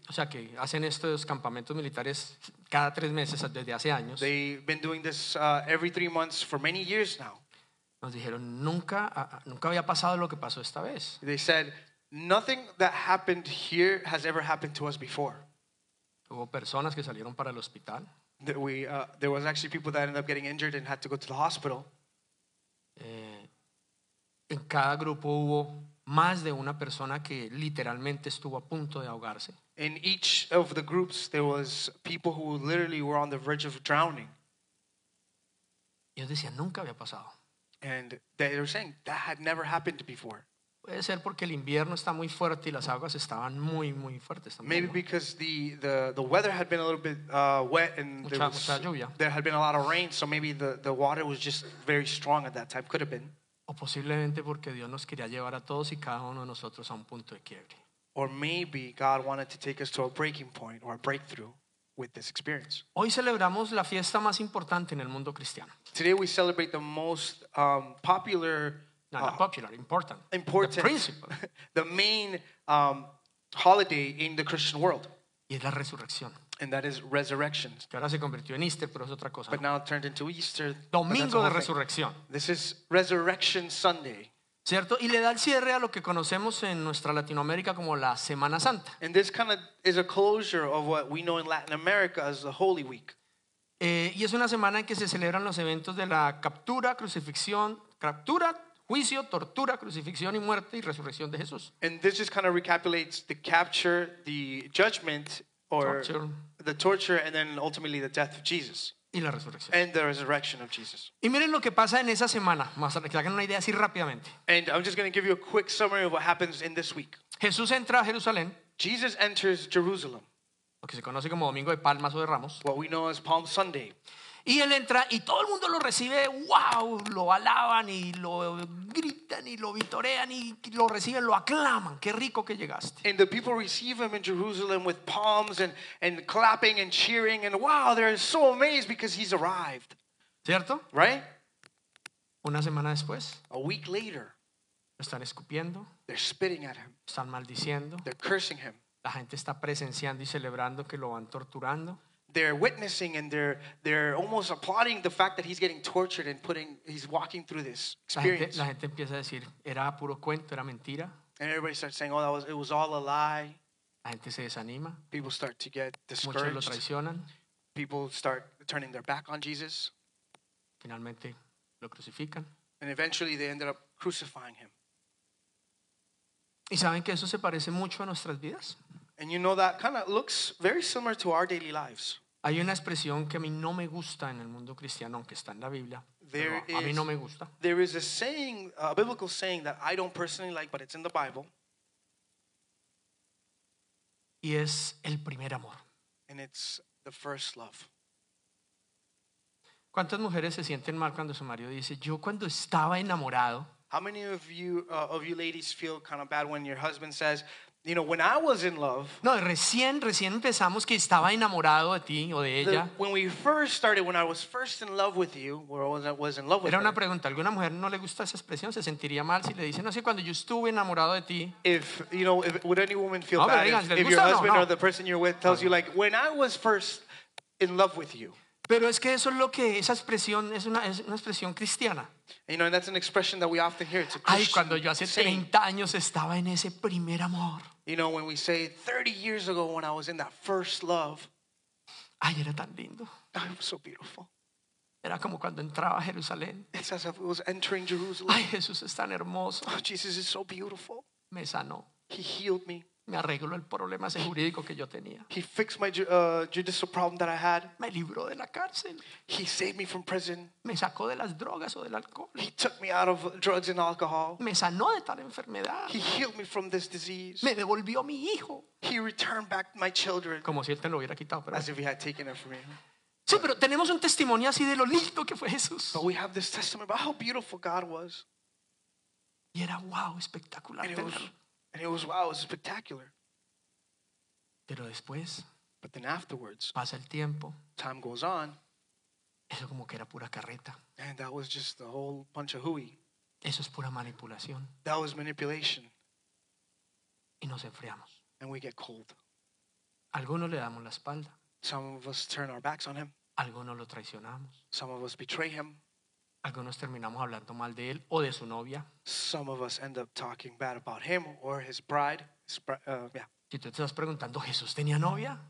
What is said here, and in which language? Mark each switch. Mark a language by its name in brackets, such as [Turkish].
[Spanish] O sea que hacen estos campamentos militares cada tres meses desde hace años. [English] They've been doing this every three months for many years now. [Spanish] Nos dijeron nunca había pasado lo que pasó esta vez. [English] They said nothing that happened here has ever happened to us before. [Spanish] Hubo personas que salieron para el hospital. [English] There was actually people that ended up getting injured and had to go to the hospital. [Spanish] En cada grupo hubo más de una persona que literalmente estuvo a punto de ahogarse. [English] In each of the groups, there was people who literally were on the verge of drowning. [Spanish] Y ellos decían, nunca había pasado. [English] And they were saying, that had never happened before. [Spanish] Puede ser porque el invierno está muy fuerte y las aguas estaban muy muy fuertes también. [English] Maybe because the weather had been a little bit wet and there had been a lot of rain, so maybe the water was just very strong at that time. Could have been. [Spanish] O posiblemente porque Dios nos quería llevar a todos y cada uno de nosotros a un punto de quiebre. [English] Or maybe God wanted to take us to a breaking point or a breakthrough with this experience. [Spanish] Hoy celebramos la fiesta más importante en el mundo cristiano. [English] Today we celebrate the most important. Not popular, important. Important. The principle. The main holiday in the Christian world. [Spanish] Y es la resurrección. [English] And that is resurrection. [Spanish] Que ahora se convirtió en Easter, pero es otra cosa. [English] But now it turned into Easter. [Spanish] Domingo de resurrección. [English] This is Resurrection Sunday. [Spanish] ¿Cierto? Y le da el cierre a lo que conocemos en nuestra Latinoamérica como la Semana Santa. [English] And this kind of is a closure of what we know in Latin America as the Holy Week. [Spanish] Y es una semana en que se celebran los eventos de la captura, crucifixión, captura, juicio, tortura, crucifixión y muerte y resurrección de Jesús. [English] And this just kind of recapitulates the capture, the judgment, or the torture, and then ultimately the death of Jesus. [Spanish] Y la resurrección. [English] And the resurrection of Jesus. [Spanish] Y miren lo que pasa en esa semana, más para que hagan una idea así rápidamente. [English] And I'm just going to give you a quick summary of what happens in this week. [Spanish] Jesús entra a Jerusalén. [English] Jesus enters Jerusalem. [Spanish] Lo que se conoce como Domingo de Palmas o de Ramos. [English] What we know as Palm Sunday. [Spanish] Y él entra y todo el mundo lo recibe, wow, lo alaban y lo gritan y lo vitorean y lo reciben, lo aclaman, qué rico que llegaste. [English] And the people receive him in Jerusalem with palms and clapping and cheering and wow, they're so amazed because he's arrived. [Spanish] ¿Cierto? [English] Right? [Spanish] Una semana después. [English] A week later. [Spanish] Lo están escupiendo. [English] They're spitting at him. [Spanish] Están maldiciendo. [English] They're cursing him. [Spanish] La gente está presenciando y celebrando que lo van torturando. [English] They're witnessing and they're almost applauding the fact that he's getting tortured and putting he's walking through this experience. [Spanish] La gente empieza a decir, era puro cuento, era mentira. [English] And everybody starts saying, oh, it was all a lie. [Spanish] La gente se desanima. [English] People start to get discouraged. [Spanish] Muchos lo traicionan. [English] People start turning their back on Jesus. [Spanish] Finalmente lo crucifican. [English] And eventually they ended up crucifying him. [Spanish] ¿Y saben que eso se parece mucho a nuestras vidas? [English] And you know that kind of looks very similar to our daily lives. [Spanish] Hay una expresión que a mí no me gusta en el mundo cristiano, aunque está en la Biblia. A mí no me gusta. [English] There is a saying, a biblical saying that I don't personally like, but it's in the Bible. [Spanish] Y es el primer amor. [English] And it's the first love. [Spanish] ¿Cuántas mujeres se sienten mal cuando su marido dice, yo cuando estaba enamorado? [English] How many of you ladies feel kind of bad when your husband says, you know, when I was in love. [Spanish] No, recién empezamos que estaba enamorado de ti o de ella. [English] When we first started, when I was first in love with you, or was in love with her. [Spanish] Era una pregunta. ¿Alguna mujer no le gusta esa expresión? ¿Se sentiría mal si le dicen, no sé, cuando yo estuve enamorado de ti? [English] If would any woman feel [Spanish] no, [English] bad [Spanish] digan, [English] if your husband [Spanish] no. [English] or the person you're with tells you, like, when I was first in love with you. [Spanish] Pero es que eso es lo que esa expresión es una expresión cristiana. [English] You know, and that's an expression that we often hear. It's a Christian. [Spanish] Ay, cuando yo hace 30 años estaba en ese primer amor. [English] You know, when we say 30 years ago when I was in that first love. [Spanish] Ay, era tan lindo. [English] It was so beautiful. [Spanish] Era como cuando entraba a Jerusalén. [English] It's as if it was entering Jerusalem. [Spanish] Ay, Jesús es tan hermoso. [English] Oh, Jesus is so beautiful. [Spanish] Me sanó. [English] He healed me. [Spanish] Me arregló el problema ese jurídico que yo tenía. [English] He fixed my judicial problem that I had. [Spanish] Me libró de la cárcel. [English] He saved me from prison. [Spanish] Me sacó de las drogas o del alcohol. [English] He took me out of drugs and alcohol. [Spanish] Me sanó de tal enfermedad. [English] He healed me from this disease. [Spanish] Me devolvió mi hijo. [English] He returned back my children. [Spanish] Como si él te lo hubiera quitado, pero [English] as if he had taken it from me. [Spanish] Sí, pero tenemos un testimonio así de lo lindo que fue Jesús. [English] But we have this testimony about how beautiful God was. [Spanish] Y era wow, espectacular. [English] And it was wow, it was spectacular. [Spanish] Pero después, [English] but then afterwards, [Spanish] pasa el tiempo, [English] time goes on. [Spanish] Eso como que era pura carreta. [English] And that was just the whole bunch of hooey. [Spanish] Eso es pura manipulación. [English] That was manipulation. [Spanish] Y nos enfriamos. [English] And we get cold. [Spanish] Algunos le damos la espalda. [English] Some of us turn our backs on him. [Spanish] Algunos lo traicionamos. [English] Some of us betray him. [Spanish] Algunos terminamos hablando mal de él o de su novia. [English] Some of us end up talking bad about him or his bride. [Spanish] Si tú te estás preguntando, ¿Jesús tenía novia?